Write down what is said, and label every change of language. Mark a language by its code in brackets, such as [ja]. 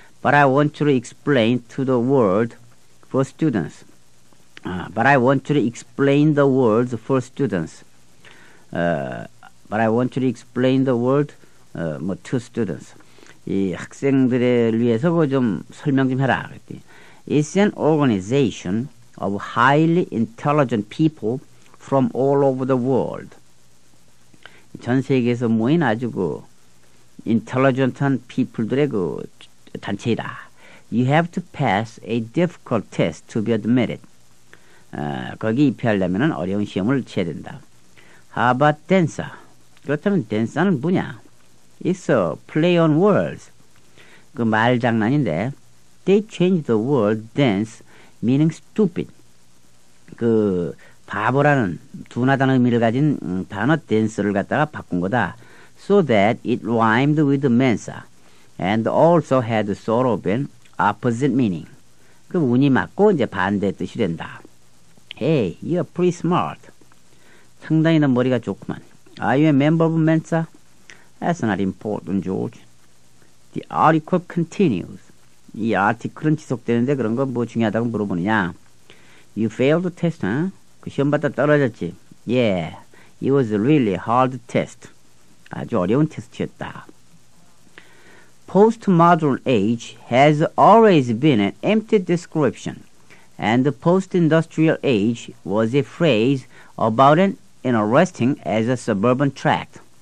[en] But I want you to explain to the world for students. But I want you to explain the world for students. But I want you to explain the world to students. [ko] 이 학생들을 위해서 그 좀 설명 좀 해라. [en] It's an organization of highly intelligent people from all over the world. [ko] 전 세계에서 모인 아주 그 intelligent한 people들의 그 단체이다. [en] You have to pass a difficult test to be admitted. [ko] 거기 입회하려면 어려운 시험을 쳐야 된다. [en] How about Dancer? [ko] 그렇다면 Dancer는 뭐냐? [en] It's a play on words. [ko] 그 말장난인데 [en] They change the word dance meaning stupid. [ko] 그 바보라는 둔하다는 의미를 가진 단어 Dancer를 갖다가 바꾼 거다. [en] So that it rhymed with Mensa and also had sort of an opposite meaning. [ko] 그 운이 맞고 이제 반대 뜻이 된다. [en] Hey, you're pretty smart. [ko] 상당히 넌 머리가 좋구만. [en] Are you a member of Mensa? That's not important, George. The article continues. [ko] 이 article은 지속되는데 그런 거 뭐 중요하다고 물어보느냐? [en] You failed the test, huh? [ko] 그 시험 받다 떨어졌지? [en] Yeah, it was a really hard test. [ko] 아주 어려운 테스트였다. [en] Postmodern age has always been an empty description, and the post-industrial age was a phrase about an interesting as a suburban tract.